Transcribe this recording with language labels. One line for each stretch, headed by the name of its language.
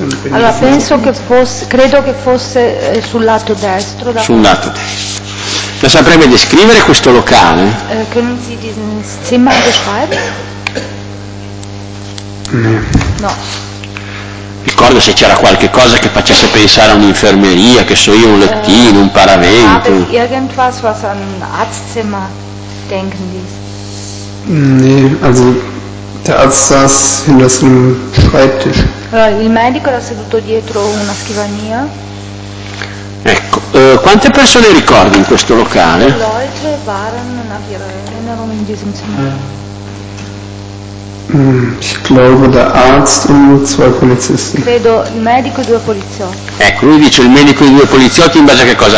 Italian: Allora penso che fosse, credo che fosse sul lato destro. Da sul lato destro. La saprebbe descrivere questo locale?
German: Können Sie dieses Zimmer beschreiben?
Italian: No. Ricordo se c'era qualche cosa che facesse pensare a un'infermeria, che so io, un lettino, un paravento.
German: Irgendwas, was an ein Arztzimmer denken ließ. Nee, also der Arzt saß hinter so einem Schreibtisch.
Italian: Il medico era seduto dietro una scrivania. Ecco, quante persone ricordi in questo locale?
German: Leute waren nach ihrer Erinnerung in diesem Zimmer. Ich glaube der Arzt und zwei Polizisten.
Italian: Credo il medico e due poliziotti. Ecco, lui dice il medico e due poliziotti in base a che cosa?